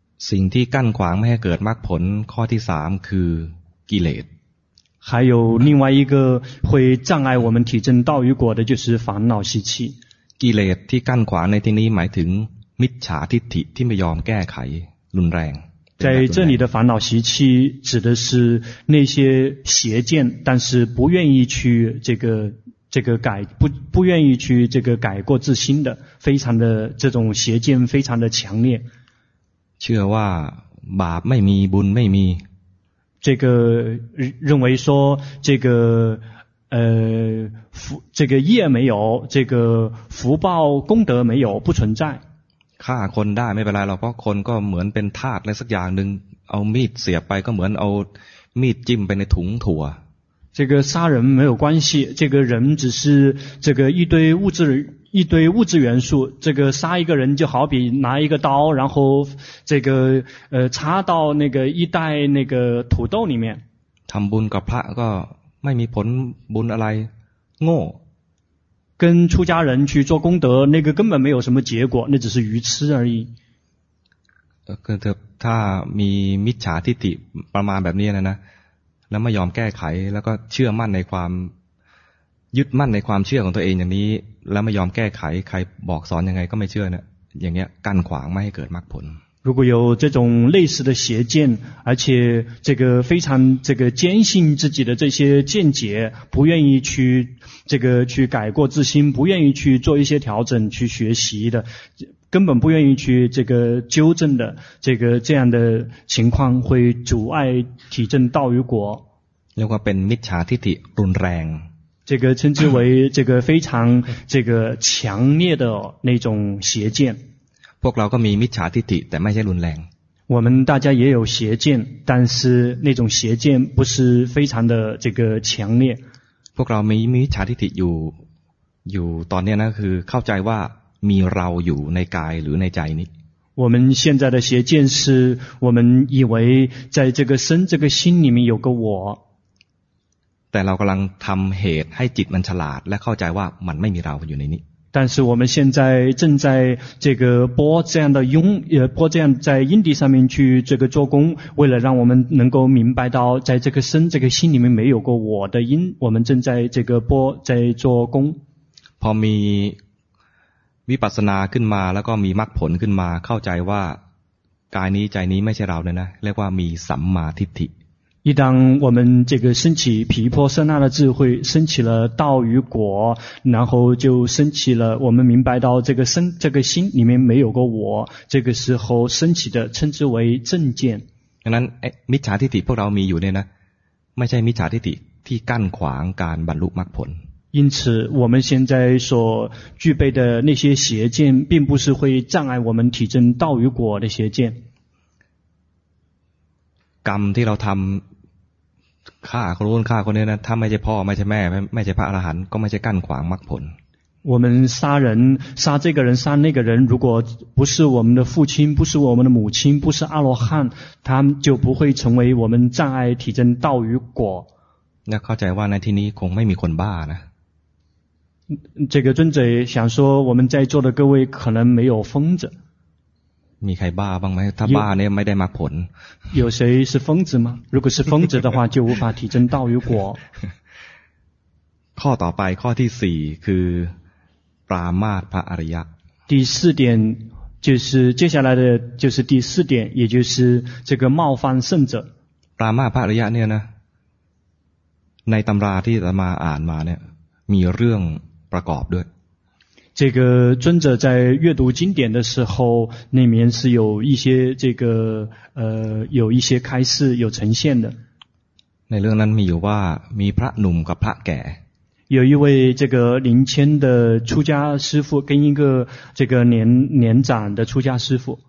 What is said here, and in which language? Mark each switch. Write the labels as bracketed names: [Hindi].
[Thai] สิ่งที่กั้นขวางไม่ให้เกิดมรรคผลข้อที่สามคือกิเลส [Chinese] 还有另外一个会障碍我们提证道与果的就是烦恼习气 [Thai] กิเลสที่กั้นขวางในที่นี้หมายถึงมิจฉาทิฏฐิที่ไม่ยอมแก้ไขรุนแรง [Chinese] 在这里的烦恼习气指的是那些邪见但是不愿意去这个改不愿意去这个改过自新的非常的这种邪见非常的强烈 [Thai] เชื่อว่าบาปไม่มีบุญไม่มี [Chinese] 这个认为说这个这个业没有这个福报功德没有不存在 [Thai] ฆ่าคนได้ไม่เป็นไรหรอกเพราะคนก็เหมือนเป็นทาสอะไรสักอย่างนึงเอามีดเสียบไปก็เหมือนเอามีดจิ้มไปในถุงถั่ว [Chinese] 这个杀人没有关系，这个人只是这个一堆物质，一堆物质元素，这个杀一个人就好比拿一个刀，然后这个插到那个一袋那个土豆里面。 [Thai] ทำบุญกับพระก็ไม่มีผลบุญอะไรโง่ [Chinese] 跟出家人去做功德那个根本没有什么结果，那只是愚痴而已。 [Thai] ถ้ามีมิจฉาทิฏฐิประมาณแบบนี้นะนะแล้วไม่ยอมแก้ไขแล้วก็เชื่อมั่นในความยึดมั่นในความเชื่อของตัวเองอย่างนี้แล้วไม่ยอมแก้ไขใครบอกสอนยังไงก็ไม่เชื่อเนี่ยอย่างเงี้ยกั้นขวางไม่ให้เกิดมรรคผล [Chinese] 如果有这种类似的邪见，而且这个非常这个坚信自己的这些见解，不愿意去这个去改过自新，不愿意去做一些调整去学习的，根本不愿意去这个纠正的，这个这样的情况会阻碍体证道与果。如果 [Thai] เป็นมิจฉาทิฏฐิรุนแรง [Chinese] 这个称之为这个非常这个强烈的那种邪见。 [Thai] พวกเราก็มีมิจฉาทิฏฐิแต่ไม่ใช่รุนแรง [Chinese] 我们大家也有邪见但是那种邪见不是非常的这个强烈 [Thai] พวกเรามิจฉาทิฏฐิอยู่ตอนนี้นะคือเข้าใจว่ามีเราอยู่ในกายหรือในใจนี้ [Chinese] 我们现在的邪见是我们以为在这个身这个心里面有个我 [Thai] แต่เรากำลังทำเหตุให้จิตมันฉลาดและเข้าใจว่ามันไม่มีเราอยู่ในนี้ [Chinese] 但是我们现在正在这个播这样的拥播这样在因地上面去这个做工为了让我们能够明白到在这个身这个心里面没有过我的因我们正在这个播在做工 [Thai] พอมีวิปัสสนาขึ้นมาแล้วก็มีมรรคผลขึ้นมาเข้าใจว่ากายนี้ใจนี้ไม่ใช่เราเนี่ยนะเรียกว่ามีสัมมาทิฏฐิ [Chinese] 一旦我们这个升起毗婆舍那的智慧升起了道与果然后就升起了我们明白到这个身这个心里面没有个我这个时候升起的称之为正见 [Thai] ดังนั้นมิจฉาทิฏฐิพวกเรามีอยู่เนี่ยนะไม่ใช่มิจฉาทิฏฐิที่กั้นขวางการบรรลุมรรคผล [Chinese] 因此我们现在所具备的那些邪见并不是会障碍我们体证道与果的邪见 [Thai] กรรมที่เราทำฆ่าคนรู้นฆ่าคนนี้นะถ้าไม่ใช่พ่อไม่ใช่แม่ไม่ใช่พระอรหันต์ก็ไม่ใช่กั้นขวางมรรคผล [Chinese] 我们杀人杀这个人杀那个人如果不是我们的父亲不是我们的母亲不是阿罗汉他就不会成为我们障碍体证道与果 [Thai] 那เข้าใจว่าในที่นี้คงไม่มีคนบ้านะ [Chinese] 这个尊者想说我们在座的各位可能没有疯子 [Thai] มีใครบ้าบ้างไหมถ้าบ้าเนี่ยไม่ได้มรรคผล [Chinese] 有谁是疯子吗如果是疯子的话就无法体证道与果 [Thai] ข้อต่อไปข้อที่4คือปรามาสพระอริยะ [Chinese] 第四点就是接下来的就是第四点也就是这个冒犯圣者 [Thai] ปรามาสพระอริยะเนี่ยนะในตำราที่อาตมาอ่านมาเนี่ยมีเรื่องประกอบด้วย [Chinese] 这个尊者在阅读经典的时候那面是有一些这个有一些开示有呈现的 [Thai] ในเรื่องนั้นมีอยู่ว่ามีพระหนุ่มกับพระแก่ [Chinese] 有一位这个临迁的出家师父跟一个这个年长的出家师父